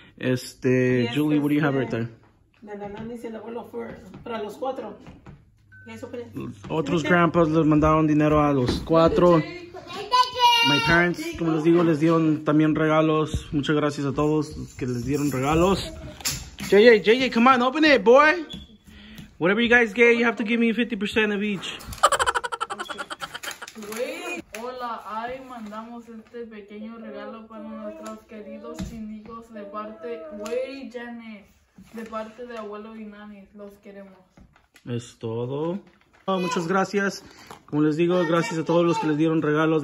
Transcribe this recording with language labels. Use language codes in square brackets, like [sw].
[en] Este, Julie, what do you have right there? [es] La nana dice el abuelo para los cuatro. Otros grandpas les mandaron dinero a los cuatro. [en] My parents, [es] como les digo, les dieron también regalos. Muchas gracias a todos que les dieron regalos. [en] JJ, come on, open it, boy. Whatever you guys get, you have to give me 50% of each. [es] Hola, ahí mandamos este pequeño regalo para nuestros queridos chinicos de parte, wey, Janet, de parte de abuelo y nani. Los queremos. Es todo. Oh, muchas gracias. Como les digo, gracias a todos los que les dieron regalos.